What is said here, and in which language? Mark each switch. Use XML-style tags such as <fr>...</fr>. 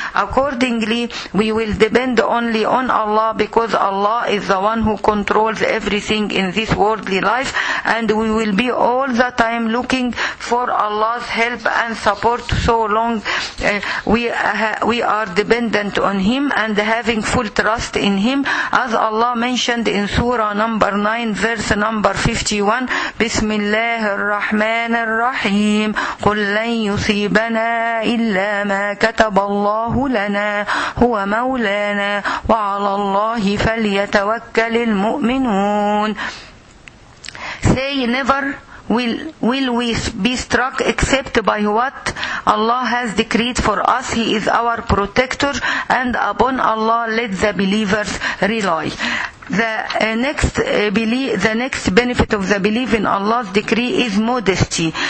<en>Accordingly, we will depend only on Allah, because Allah is the one who controls everything in this worldly life, and we will be all the time looking for Allah's help and support so long we are dependent on Him and having full trust in Him. As Allah mentioned in Surah number 9, verse number 51,</en> <ar>Bismillah ar-Rahman ar-Rahim, قُلْ لَنْ يُصِيبَنَا إِلَّا مَا كَتَبَ اللَّهُ لَنَا هُوَ مَوْلَانَا وَعَلَى اللَّهِ فَلْيَتَوَكَّلِ الْمُؤْمِنُونَ.</ar> <en>Say, never will we be struck except by what Allah has decreed for us. He is our protector, and upon Allah let the believers rely. The next benefit of the belief in Allah's decree is modesty.</en>